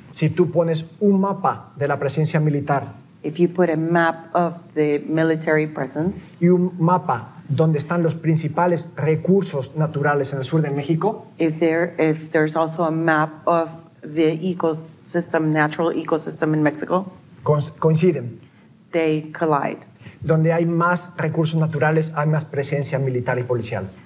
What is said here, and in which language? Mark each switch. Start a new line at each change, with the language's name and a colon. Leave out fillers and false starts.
Spanish: Si tú pones un mapa de la presencia militar,
English: if you put a map of the military presence,
Spanish: y un mapa donde están los principales recursos naturales en el sur de México.
English: If there's also a map of the ecosystem, natural ecosystem in Mexico.
Spanish: Coinciden.
English: They collide.
Spanish: Donde hay más recursos naturales, hay más presencia militar y policial.